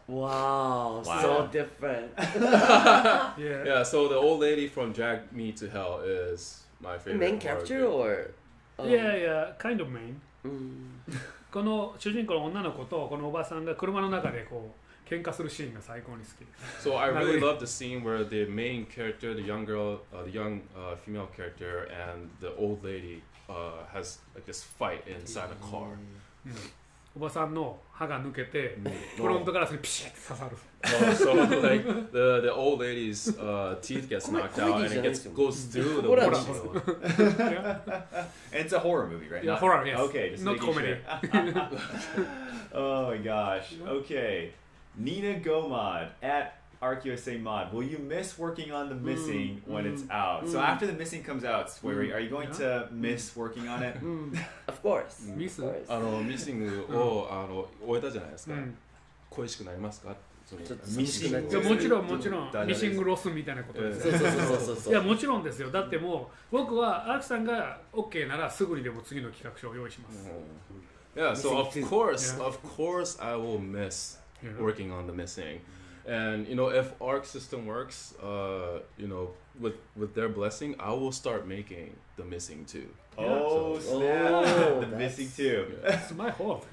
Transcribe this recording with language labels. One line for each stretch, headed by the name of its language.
English: Wow, so different. yeah. yeah, so the old lady from Drag Me to Hell is my favorite. Main character or? Yeah, yeah, kind of main.
Japanese: この主人公の女の子とこのおばさんが車の中でこう喧嘩するシーンが最高に好き。
English: So I really love the scene where the main character, the young girl, the young female character and the old lady has like this fight inside a car.
Japanese: おばさんの歯が抜けて、フロントガラスにピシッと刺さる。
English: So like the old lady's teeth gets knocked out and it gets goes through the window. It's a horror movie, right? Yeah, horror, yes. Okay, just not comedy. Oh my gosh. Okay, Nina Gomod at Arcusa Mod. Will you miss working on the missing when it's out? So after the missing comes out, Swery, are you going to miss working on it? Of course. Miss.
Japanese: あのミッシングをあの終えたじゃないですか。恋しくなりますか？ミッシングもちろんもちろんミッシングロスみたいなことです。そう。いやもちろんですよ。だってもう僕はアークさんが OK ならすぐにでも次の企画書を用意します。
English: Yeah. So of course I will miss working on the missing. And you know, if Arc System works, you know, with their blessing, I will start making the missing too. Yeah. Oh snap! Oh, the missing too. That's my hope.